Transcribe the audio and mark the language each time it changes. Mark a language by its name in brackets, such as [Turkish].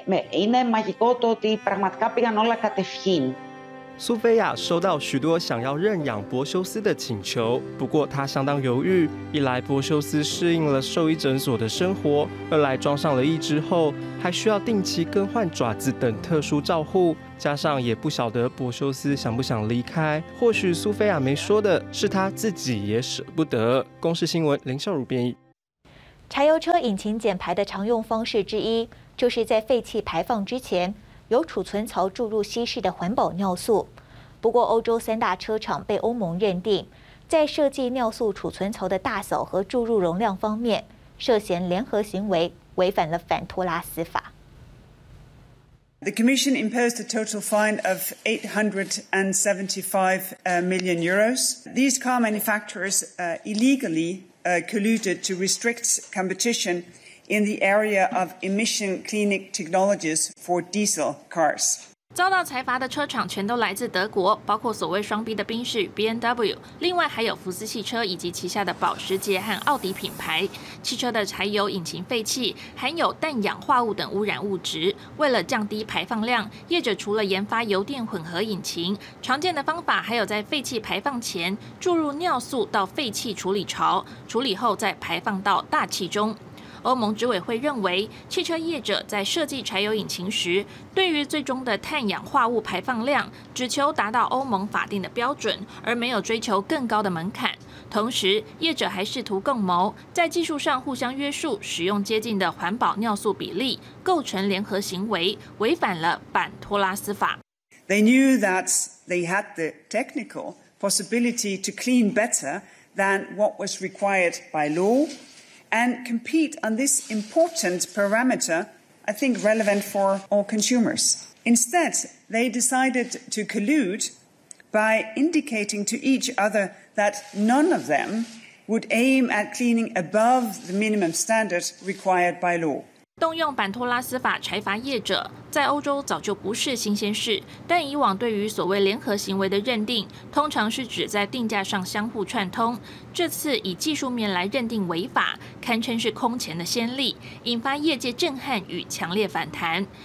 [Greek] Είναι μαγικό το ότι πραγματικά πήγαν όλα κατευχήν. [Chinese] 苏菲亚收到许多想要认养博修斯的请求，不过她相当犹豫。一来博修斯适应了兽医诊所的生活，二来装上了义肢后还需要定期更换爪子等特殊照护，加上也不晓得博修斯想不想离开。或许苏菲亚没说的是她自己也舍不得。公视新闻林秀如编译。柴油车引擎减排的常用方式之一，就是在废气排放之前有储存槽注入稀释的环保尿素。不过欧洲三大车厂被欧盟认定在设计尿素储存槽的大小和注入容量方面涉嫌联合行为，违反了反托拉斯法。 [English] The Commission imposed a total fine of €875 million. These car manufacturers illegally colluded to restrict competition in the area of emission cleaning technologies for diesel cars. [Chinese] 遭到裁罚的车厂全都来自德国，包括所谓双 B 的宾士 BMW， 另外还有福斯汽车以及旗下的保时捷和奥迪品牌。汽车的柴油引擎废气含有氮氧化物等污染物质，为了降低排放量，业者除了研发油电混合引擎，常见的方法还有在废气排放前注入尿素到废气处理槽，处理后再排放到大气中。欧盟执委会认为，汽车业者在设计柴油引擎时，对于最终的碳氧化物排放量只求达到欧盟法定的标准，而没有追求更高的门槛。同时，业者还试图共谋，在技术上互相约束使用接近的环保尿素比例，构成联合行为，违反了反托拉斯法。 [English] They knew that they had the technical possibility to clean better than what was required by law. And compete on this important parameter, I think relevant for all consumers. Instead, they decided to collude by indicating to each other that none of them would aim at cleaning above the minimum standard required by law. [Chinese] 动用反托拉斯法裁罚业者，在欧洲早就不是新鲜事。但以往对于所谓联合行为的认定，通常是指在定价上相互串通。这次以技术面来认定违法，堪称是空前的先例，引发业界震撼与强烈反弹。